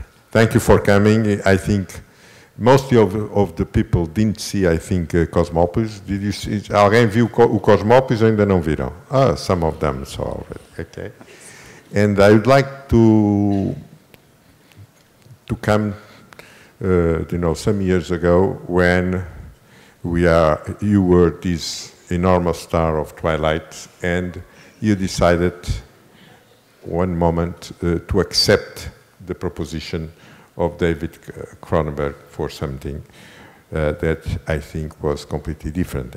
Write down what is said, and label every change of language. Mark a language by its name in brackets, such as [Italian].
[English] Thank you for coming. I think most of the people didn't see, I think, Cosmopolis. Did you see? [Portuguese] Alguém viu o Cosmopolis ou ainda não viram? [English] Ah, some of them saw it. Okay. And I would like to come, you know, some years ago when you were this enormous star of Twilight, and you decided one moment to accept the proposition of David Cronenberg for something that I think was completely different.